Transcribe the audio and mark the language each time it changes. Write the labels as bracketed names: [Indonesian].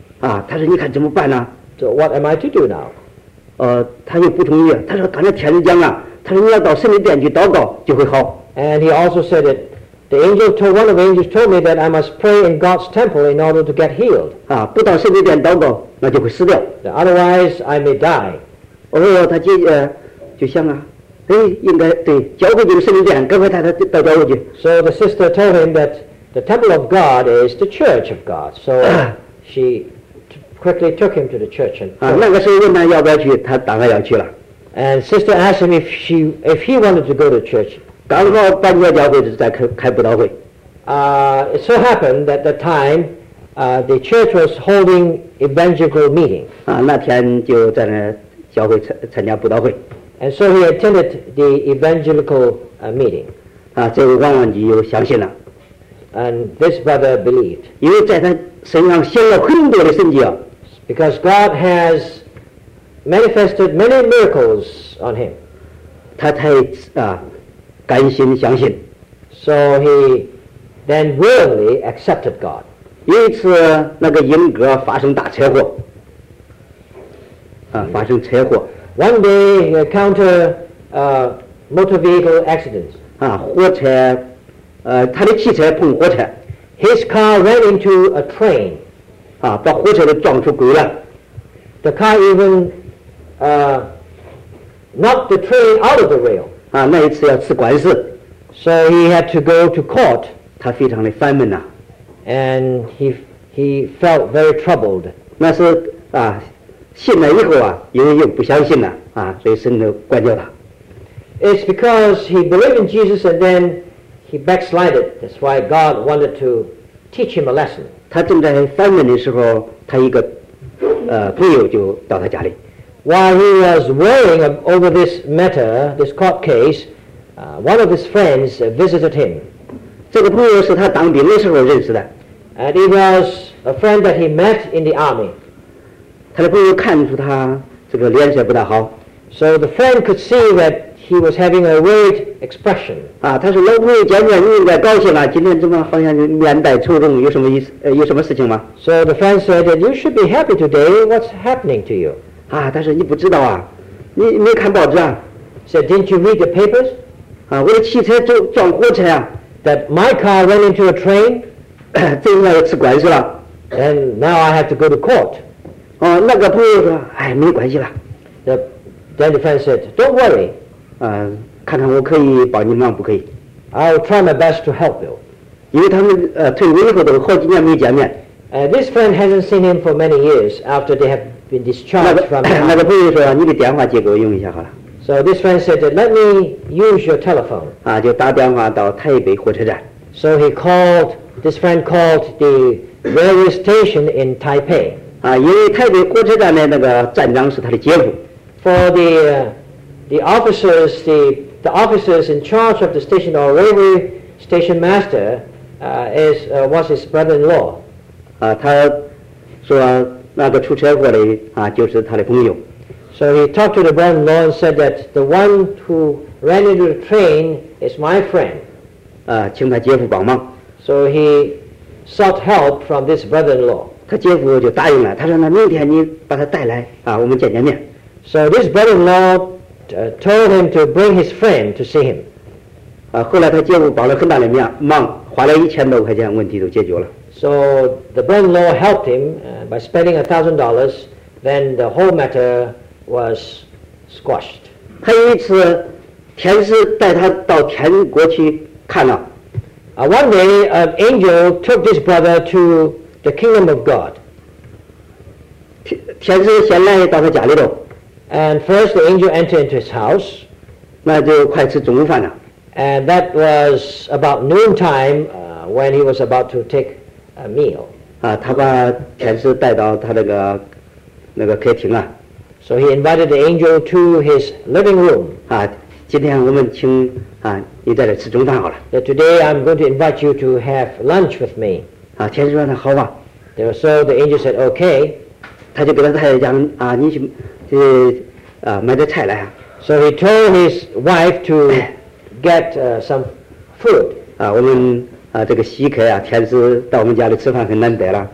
[Chinese] 啊，他说你看怎么办呢？ [English] So what am I to do now? [Chinese] 他又不同意，他说刚才天使讲了，他说你要到圣灵殿去祷告就会好。 [English] And he also said it. The angel told, one of the angels told me that I must pray in God's temple in order to get healed. [Chinese] 啊，不到圣灵殿祷告，那就会死掉。 [English] Otherwise, I may die. [Chinese] 我说他姐姐就想啊，哎，应该对，交给你们圣灵殿，赶快带他到教会去。 [English] So the sister told him that the temple of God is the church of God. So she quickly took him to the church. [Chinese] 啊，那个时候问他要不要去，他当然要去了。 [English] And sister asked him if he wanted to go to church. [Chinese] 刚好搬家教会是在开布道会。 [English] It so happened that the time, the church was holding evangelical meeting. [Chinese] 啊，那天就在那教会参加布道会。 [English] And so he attended the evangelical meeting. [Chinese] 啊，这位王文吉又相信了。 [English] And this brother believed. [Chinese] 因为在他身上显了很多的神迹啊。 [English] Because God has manifested many miracles on him. [Chinese] 他太啊。甘心相信 [English] So he then willingly accepted God. [Chinese] 有一次那个英格发生大车祸、啊、发生车祸 [English] One day he encountered a motor vehicle accident. [Chinese] 啊火车他的汽车碰火车 [English] His car ran into a train. [Chinese] 啊把火车都撞出轨了 [English] The car even knocked the train out of the rail. [Chinese] 啊，那一次要吃官司 [English] ，so he had to go to court. [Chinese] 他非常的烦闷呐、啊、 [English] ，and he felt very troubled. [Chinese] 那是啊，信了以后啊，因为又不相信了啊，所以神就管教他。 [English] It's because he believed in Jesus and then he backslided. That's why God wanted to teach him a lesson. [Chinese] 他正在烦闷的时候，他一个朋友就到他家里。 [English] While he was worrying over this matter, this court case, one of his friends visited him. [Chinese] 这个朋友是他当兵的时候认识的。 [English] And it was a friend that he met in the army. [Chinese] 他的朋友看出他这个脸色不大好。 [English] So the friend could see that he was having a worried expression. [Chinese] 啊，他说老朋友见面你应该高兴了，今天怎么好像面带愁容？有什么意思？有什么事情吗 [English] ？So the friend said that you should be happy today. What's happening to you? [Chinese] 啊，但是你不知道啊，你没看报纸啊 [English] ？Said、so、didn't you read the papers？ [Chinese] 啊，我的汽车撞火车啊 [English] ！That my car ran into a train， [Chinese] 这应该要吃官司了。 [English] And now I have to go to court。 [Chinese] 哦，那个朋友说，哎，没关系了。 [English] The daily friend said, "Don't worry." [Chinese] 看看我可以帮你忙不可以 [English] ？I'll try my best to help you. [Chinese] 因为他们退伍以后都好几年没见面。 [English] This friend hasn't seen him for many years after they have been discharged from the army. [Chinese] 那个朋友说，你的电话借给我用一下好了。 [English] So this friend said, "Let me use your telephone." [Chinese] 啊，就打电话到台北火车站。 [English] So he called. This friend called the railway station in Taipei. [Chinese] 啊，因为台北火车站的那个站长是他的姐夫。 [English] For the officers in charge of the station or railway station master, was his brother-in-law. [Chinese] 啊，他说那个出车祸的啊，就是他的朋友。 [English] So he talked to the brother-in-law and said that the one who ran into the train is my friend. [Chinese] 请他姐夫帮忙。 [English] So he sought help from this brother-in-law. [Chinese] 他姐夫就答应了，他说那明天你把他带来啊，我们见见面。 [English] So this brother-in-law told him to bring his friend to see him. [Chinese] 后来他姐夫帮了很大的忙，花了1000多块钱，问题都解决了。 [English] So the brother-in-law helped him by spending $1,000, then the whole matter. Was squashed. [Chinese] 他有一次，天使带他到天国去看了。 [English] One day, an angel took this brother to the kingdom of God. [Chinese] 天使先来到他家里头。 [English] And first, the angel entered into his house. [Chinese] 那就快吃中午饭了。 [English] And that was about noon time, when he was about to take a meal. [Chinese] 他把天使带到他那个客厅啊。 [English] So he invited the angel to his living room. [Chinese] 今天我们请你在这吃中饭好了。 [English] That today I'm going to invite you to have lunch with me. [Chinese] 天使说那好吧。 [English] So the angel said okay. [Chinese] 他就给他太太讲你去买点菜来。 [English] So he told his wife to get some food. [Chinese] 我们这个稀客啊，天使到我们家里吃饭很难得了。